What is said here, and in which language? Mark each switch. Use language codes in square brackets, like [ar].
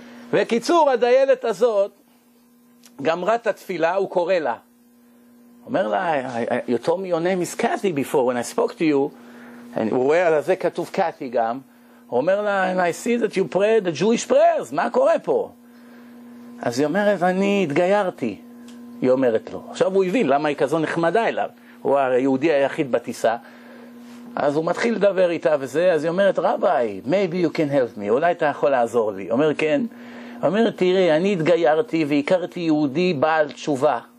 [he] וקיצור, הדיילת הזאת גמרה את התפילה, הוא קורא לה. אומר לה, [en] you told me your name is Cathy before, when I spoke to you, [he] הוא רואה על זה כתוב קאטי גם, הוא אומר לה, [en] and I see that you pray the Jewish prayers, [he] מה קורה פה? אז היא אומרת, אני התגיירתי, היא אומרת לו. עכשיו הוא הבין, למה היא כזו נחמדה אליו? הוא היהודי היחיד בטיסה. אז הוא מתחיל לדבר איתה וזה, אז היא אומרת, רבי, [en] maybe you can help me, [he] אולי אתה יכול לעזור לי. אומר, כן. אומר, תראה, אני התגיירתי והכרתי יהודי בעל תשובה.